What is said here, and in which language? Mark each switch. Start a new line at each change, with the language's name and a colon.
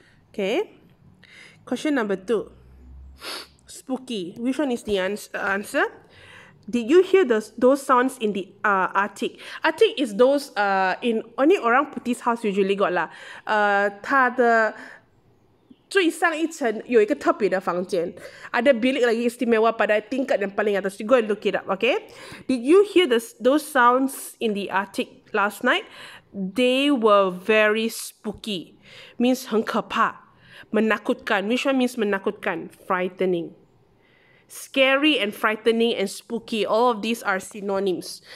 English: Okay. Question number 2. Spooky. Which one is the answer? Did you hear those sounds in the attic? Attic is those in only
Malay: orang putih's
English: house usually got lah.
Chinese: 他的 最上一层有一个特别的房间,
Malay: ada bilik lagi istimewa pada tingkat yang paling atas.
English: You go and look it up, okay? Did you hear those sounds in the attic last night? They were very spooky. Means
Chinese: 很可怕,
Malay: menakutkan.
English: Which one means menakutkan? Frightening. scary and frightening and spooky. All of these are synonyms.